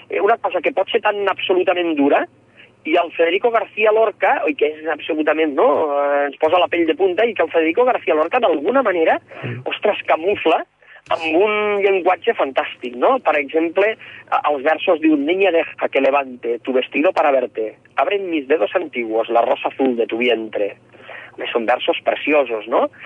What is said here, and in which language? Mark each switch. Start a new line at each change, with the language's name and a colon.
Catalan: Una cosa que pot ser tan absolutament dura, i el Federico García Lorca, oi, que és absolutament, no?, ens posa la pell de punta, i que el Federico García Lorca, d'alguna manera, ostres, camufla amb un llenguatge fantàstic, no? Per exemple, els versos diuen:
Spanish: «Niña, deja que levante tu vestido para verte. Abren mis dedos antiguos la rosa azul de tu vientre».
Catalan: Més són versos preciosos, no?